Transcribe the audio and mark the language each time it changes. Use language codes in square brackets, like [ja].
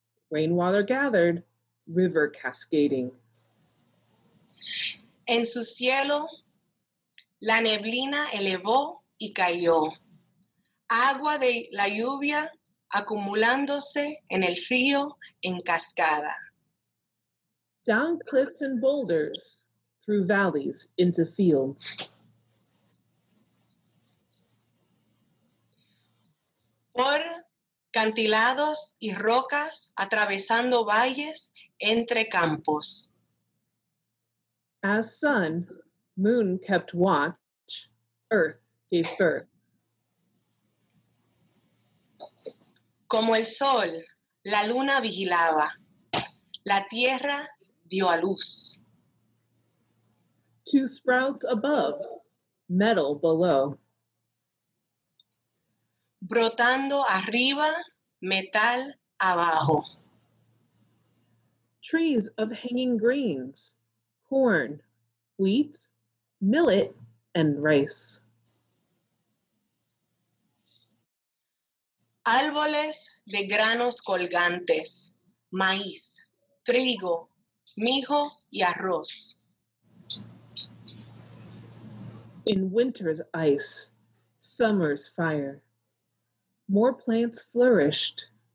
[en] Rainwater gathered, river cascading. [es] En su cielo, la neblina elevó y cayó. Agua de la lluvia acumulándose en el río en cascada. [en] Down cliffs and boulders, through valleys into fields. [es] Por cantilados y rocas, atravesando valles entre campos. [en] As sun, moon kept watch, earth gave birth. [es] Como el sol, la luna vigilaba, la tierra dio a luz. [en] Two sprouts above, metal below. [es] Brotando arriba, metal abajo. [en] Trees of hanging grains, corn, wheat, millet, and rice. [es] Árboles de granos colgantes, maíz, trigo, mijo y arroz. [en] In winter's ice, summer's fire, more plants flourished.